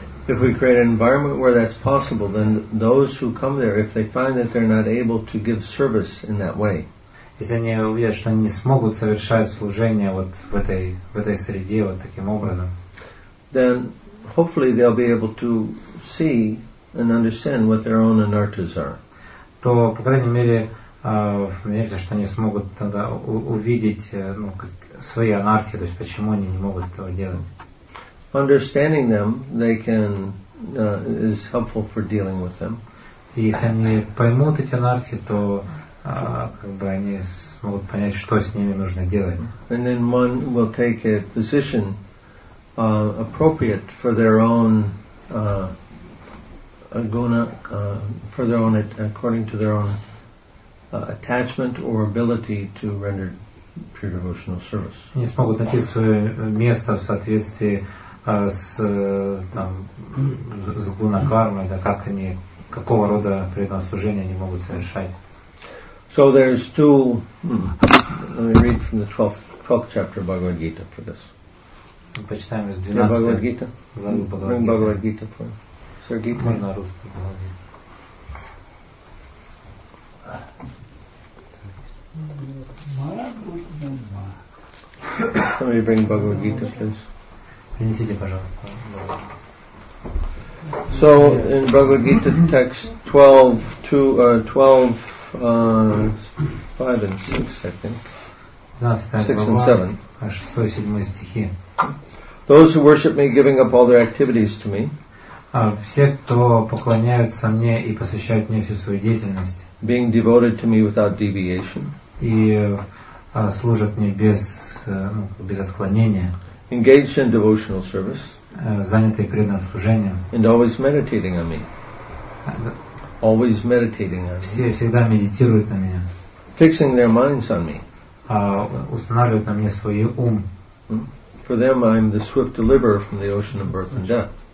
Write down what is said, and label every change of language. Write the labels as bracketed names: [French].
[English] if we create an environment where that's possible, then those who come there, if they find that they're not able to give service in that way, [Russian] если они увидят, что они не смогут совершать служение вот в этой среде вот таким образом, [English] then hopefully they'll be able to see and understand what their own anarthas are. [Russian] То по крайней мере надеемся, что они смогут тогда увидеть свои анархи, то есть почему они не могут этого делать. [English] Understanding them, they can is helpful for dealing with them. [Russian] Если они поймут эти анархи, то как бы они смогут понять, что с ними нужно делать. [English] And then one will take a position appropriate for their own guna, for their own according to their own attachment or ability to render pure devotional service. [Russian] Они смогут найти свое место в соответствии с там с гуна кармой, да, как они, какого рода преданного служения они могут совершать. [English] So there's two. Let me read from the 12th chapter of Bhagavad Gita for this. [Russian] Почитаем из 12 [English] Bhagavad Gita. Bhagavad Gita for Sir Gita. [Russian] Можно на русском. Bhagavad Gita. [English] Bhagavad Gita. Somebody bring Bhagavad Gita, please. [Russian] Принесите, пожалуйста. [English] So in Bhagavad Gita text 12:5 and 6, I think. 6 and 7. Those who worship me giving up all their activities to me. [Russian] Все, кто поклоняются мне и посвящают мне всю свою деятельность. [English] Being devoted to me without deviation. [Russian] И служат мне без без отклонения. [English] Engaged in devotional service. [Russian] Занятые преданным служением. [English] And always meditating on me. Always meditating on me. [Russian] Все всегда медитируют на меня. [English] Fixing their minds on me. [Russian] Устанавливают на мне свой ум. [English] For them, I'm the swift deliverer from the ocean of birth and death.